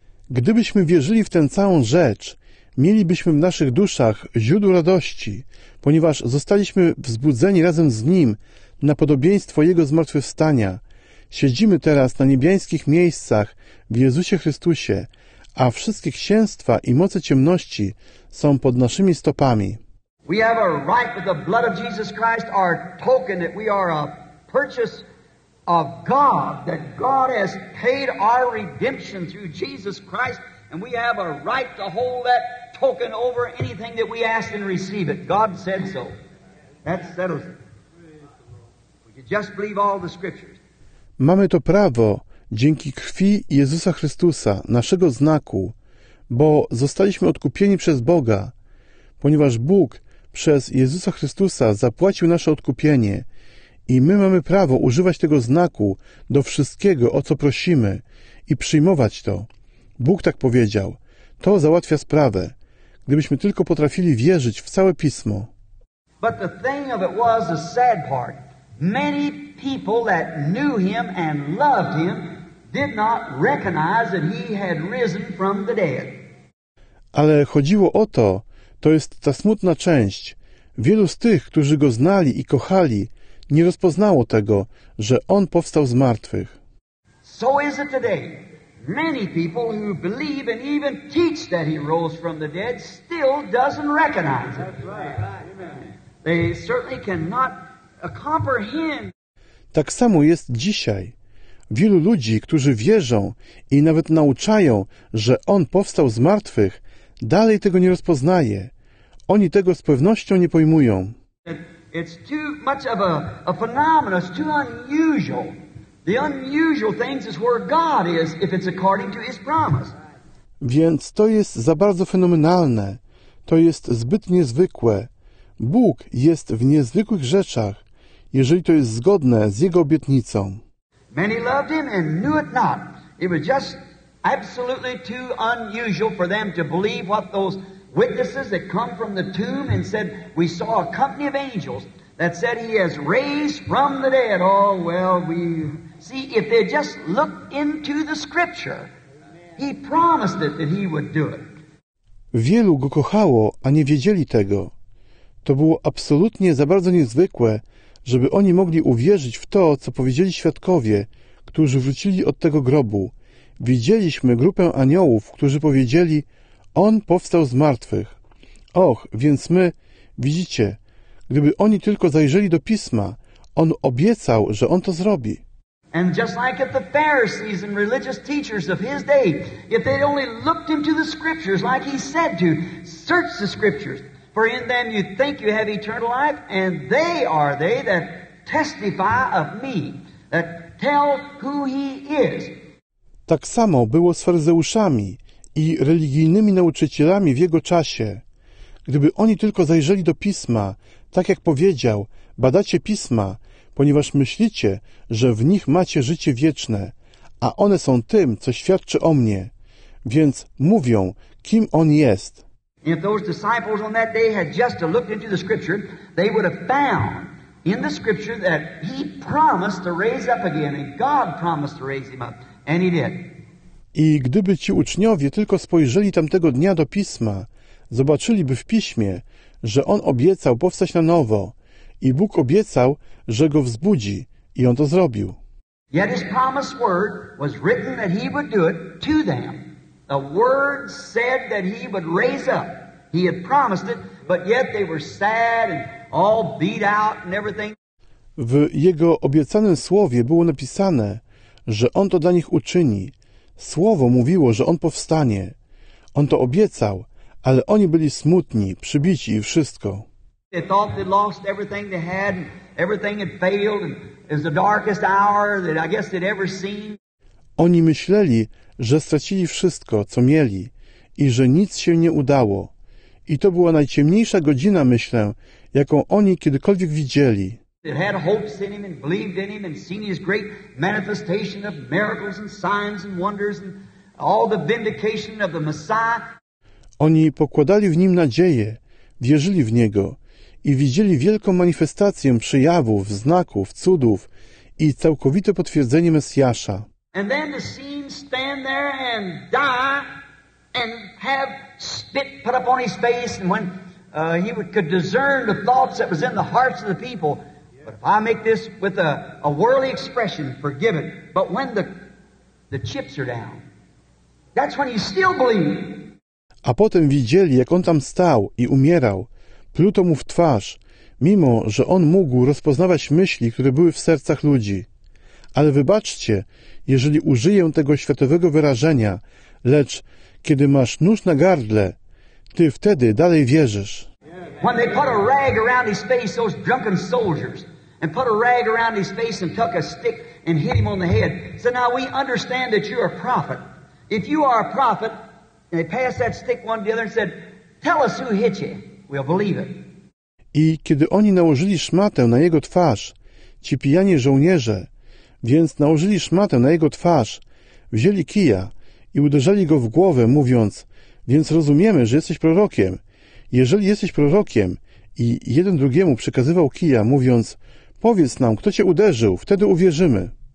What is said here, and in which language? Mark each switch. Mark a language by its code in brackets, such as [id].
[pl] Gdybyśmy wierzyli w tę całą rzecz, mielibyśmy w naszych duszach źródło radości, ponieważ zostaliśmy wzbudzeni razem z Nim na podobieństwo Jego zmartwychwstania. Siedzimy teraz na niebiańskich miejscach w Jezusie Chrystusie, a wszystkie księstwa i moce ciemności są pod naszymi stopami. [en] We have a right with the blood of Jesus Christ, our token that we are a purchase of God, that God has paid our redemption through Jesus Christ. And we have a right to hold that token over anything that we ask and receive it. God said so. That settles it. We can just believe all the scriptures. [pl] Mamy to prawo dzięki krwi Jezusa Chrystusa, naszego znaku, bo zostaliśmy odkupieni przez Boga. Ponieważ Bóg przez Jezusa Chrystusa zapłacił nasze odkupienie i my mamy prawo używać tego znaku do wszystkiego, o co prosimy i przyjmować to. Bóg tak powiedział. To załatwia sprawę. Gdybyśmy tylko potrafili wierzyć w całe Pismo. [en] But the thing of it was the sad part. Many people that knew him and loved him did not recognize that he had risen from the dead. [pl] Ale chodziło o to, to jest ta smutna część. Wielu z tych, którzy go znali i kochali, nie rozpoznało tego, że on powstał z martwych. [en] So is it today. many people who believe and even teach that he rose from the dead still doesn't recognize it. They certainly cannot comprehend. [pl] Tak samo jest dzisiaj. Wielu ludzi, którzy wierzą i nawet nauczają, że On powstał z martwych, dalej tego nie rozpoznaje. Oni tego z pewnością nie pojmują. [en] It's too much of a phenomenon. It's too unusual. The unusual things is where God is, if it's according to His promise. [pl] Więc to jest za bardzo fenomenalne. To jest zbyt niezwykłe. Bóg jest w niezwykłych rzeczach, jeżeli to jest zgodne z Jego obietnicą. [en] Many loved him and knew it not. It was just absolutely too unusual for them to believe what those witnesses that come from the tomb and said, we saw a company of angels that said he has raised from the dead. Oh, well, we see, if they just looked into the scripture, he promised it that he would do it. [pl] Wielu go kochało, a nie wiedzieli tego. To było absolutnie za bardzo niezwykłe, żeby oni mogli uwierzyć w to, co powiedzieli świadkowie, którzy wrócili od tego grobu. Widzieliśmy grupę aniołów, którzy powiedzieli, On powstał z martwych. Och, więc my, widzicie, gdyby oni tylko zajrzeli do Pisma, On obiecał, że On to zrobi. [en] And just like at the Pharisees and religious teachers of his day, if they only looked into the scriptures like he said to, search the scriptures. For in them you think you have eternal life, and they are they that testify of me, that tell who he is. [pl] Tak samo było z faryzeuszami i religijnymi nauczycielami w jego czasie. Gdyby oni tylko zajrzeli do Pisma, tak jak powiedział, badacie Pisma, ponieważ myślicie, że w nich macie życie wieczne, a one są tym, co świadczy o mnie. Więc mówią, kim on jest. [en] If those disciples on that day had just looked into the scripture, they would have found in the scripture that he promised to raise up again, and God promised to raise him up, and he did. [pl] I gdyby ci uczniowie tylko spojrzeli tamtego dnia do Pisma, zobaczyliby w Piśmie, że On obiecał powstać na nowo i Bóg obiecał, że Go wzbudzi i On to zrobił. [en] Yet his promised word was written that he would do it to them. The word said that he would raise up. He had promised it, but yet they were sad and all beat out and everything. [pl] W jego obiecanym słowie było napisane, że on to dla nich uczyni. Słowo mówiło, że on powstanie. On to obiecał, ale oni byli smutni, przybici i wszystko. [en] They thought they lost everything they had, and everything had failed, and it was the darkest hour that I guess they'd ever seen. [pl] Oni myśleli, że stracili wszystko, co mieli i że nic się nie udało. I to była najciemniejsza godzina, myślę, jaką oni kiedykolwiek widzieli. [en] They had hopes in him and believed in him and seen his great manifestation of miracles and signs and wonders and all the vindication of the Messiah. [pl] Oni pokładali w nim nadzieję, wierzyli w niego i widzieli wielką manifestację przejawów, znaków, cudów i całkowite potwierdzenie Mesjasza. [en] And then to see him stand there and die and have spit put up on his face, and when he could discern the thoughts that was in the hearts of the people. But if I make this with a worldly expression, forgive it. But when the chips are down, that's when you still believe. [pl] A potem widzieli, jak on tam stał i umierał. Pluto mu w twarz, mimo że on mógł rozpoznawać myśli, które były w sercach ludzi. Ale wybaczcie, jeżeli użyję tego światowego wyrażenia, lecz kiedy masz nóż na gardle, ty wtedy dalej wierzysz. [en] When they put a rag around his face, those drunken soldiers, and put a rag around his face and took a stick and hit him on the head. So now we understand that you're a prophet. If you are a prophet, and they passed that stick one to the other and said, tell us who hit you, we'll believe it. [pl] I kiedy oni nałożyli szmatę na jego twarz, ci pijani żołnierze, więc nałożyli szmatę na jego twarz, wzięli kija i uderzali go w głowę, mówiąc, więc rozumiemy, że jesteś prorokiem. Jeżeli jesteś prorokiem i jeden drugiemu przekazywał kija, mówiąc, powiedz nam, kto cię uderzył, wtedy uwierzymy.